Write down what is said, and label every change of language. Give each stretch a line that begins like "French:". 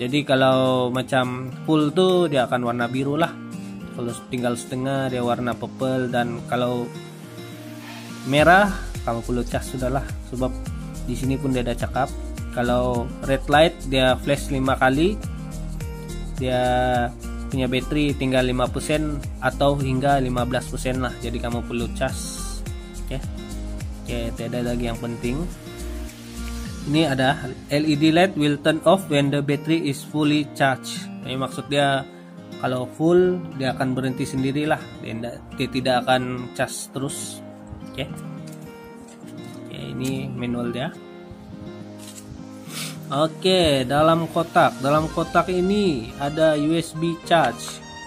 Malay: Jadi kalau macam full tuh dia akan warna biru lah, kalau tinggal setengah dia warna purple, dan kalau merah kamu perlu cas sudahlah, sebab di sini pun dia ada cakap kalau red light dia flash 5 kali, dia punya battery tinggal 5% atau hingga 15% lah, jadi kamu perlu cas. Oke. Oke, tidak ada lagi yang penting. Ini ada
English: LED light will turn off when the battery is fully charged.
Malay: Ini maksud dia kalau full dia akan berhenti sendirilah, dia tidak akan cas terus. Oke. Oke, ini manual dia. Oke, dalam kotak ini ada USB charge.